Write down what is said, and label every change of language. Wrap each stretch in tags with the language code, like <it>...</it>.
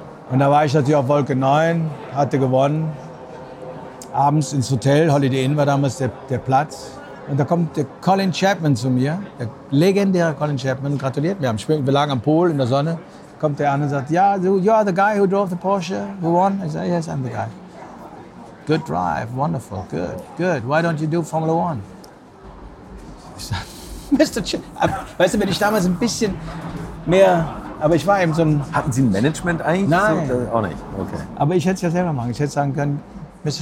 <de>Und da war ich natürlich auf Wolke 9, hatte gewonnen. Abends ins Hotel, Holiday Inn war damals der Platz. Und da kommt der Colin Chapman zu mir, der legendäre Colin Chapman, gratuliert mir. Wir lagen am Pool in der Sonne, kommt der an und sagt,</de> <en>yeah, you are the guy who drove the Porsche, who won? I say, yes, I'm the guy. Good drive, wonderful, good, good. Why don't you do Formula One?</en> <de>Ich sag, Mr. Chapman, weißt du, wenn ich damals ein bisschen mehr Aber ich war eben so ein... Hatten Sie ein Management eigentlich? Nein. Auch nicht, okay. Aber ich hätte es ja selber machen. Ich hätte sagen können, Mr.</de>